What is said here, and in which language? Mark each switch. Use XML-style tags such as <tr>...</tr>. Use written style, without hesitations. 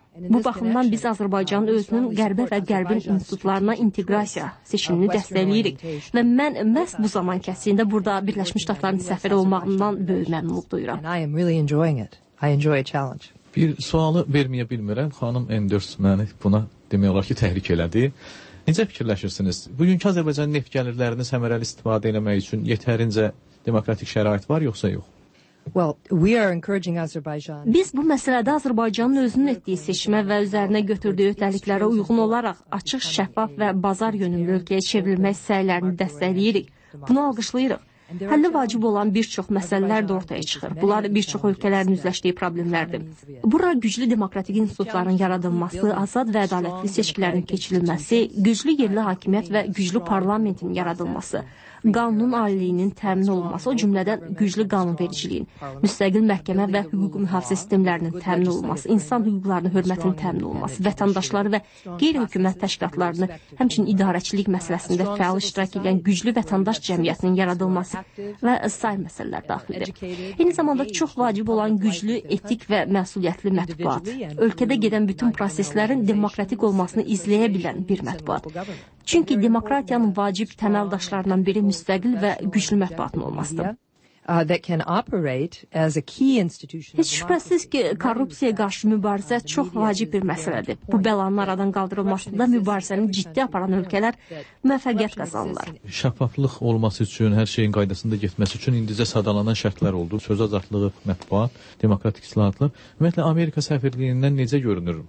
<az>Bu baxımdan biz Azərbaycanın özünün qərbə və qərbin institutlarına inteqrasiya seçimini dəstəkləyirik və mən məhz bu zaman kəsiyində burada Birləşmiş Ştatların səfiri olmağından böyük məmnunluq duyuram. Bir sualı verməyə bilmirəm. Xanım Enders məni buna demək olar ki, təhrik elədi. Necə fikirləşirsiniz? Bugünkü Azərbaycanın neft gəlirlərini səmərəli istifadə eləmək üçün yetərincə demokratik şərait var yoxsa yox?</az> <en>Well, we are encouraging Azerbaijan.</en> <az>Biz bu məsələdə Azərbaycanın özünün etdiyi seçimə və üzərinə götürdüyü öhdəliklərə uyğun olaraq açıq, şəffaf və bazar yönümlü ölkəyə çevrilmək səylərini dəstəkləyirik. Bunu alqışlayırıq. Həlli vacib olan bir çox məsələlər də ortaya çıxır. Bunlar bir çox ölkələrin üzləşdiyi problemlərdir. Bura güclü demokratik institutların yaradılması, azad və ədalətli seçkilərin keçirilməsi, güclü yerli hakimiyyət və güclü parlamentin yaradılması, qanunun aliliyinin təmin olunması, o cümlədən güclü qanunvericiliyin, müstəqil məhkəmə və hüquq mühafizə sistemlərinin təmin olunması, insan hüquqlarının hörmətinin təmin olunması, vətəndaşları və qeyri-hökumət təşkilatlarını, həmçinin idarəçilik məsələsində fəal iştirak edən güclü vətəndaş cəmiyyətinin yaradılması və sair məsələlər daxildir. Eyni zamanda çox vacib olan güclü, etik və məsuliyyətli mətbuat, ölkədə gedən bütün proseslərin demokratik olmasını izləyə bilən bir mətbuat. Çünki demokratiyanın vacib təməldaşlarından biri müstəqil və güclü mətbuatın olmasıdır.</az> <en>That can operate as a key institution.</en> <az>Heç şübhəsiz ki, korrupsiyaya qarşı mübarizə çox vacib bir məsələdir. Bu bəlanın aradan qaldırılmasında mübarizəni ciddi aparan ölkələr müvəffəqiyyət qazanırlar. Şəffaflıq olması üçün, hər şeyin qaydasında getməsi üçün indicə sadalanan şərtlər oldu. Söz azadlığı, mətbuat, demokratik islahatlar. Ümumiyyətlə, Amerika səfirliyindən necə görünür?</az>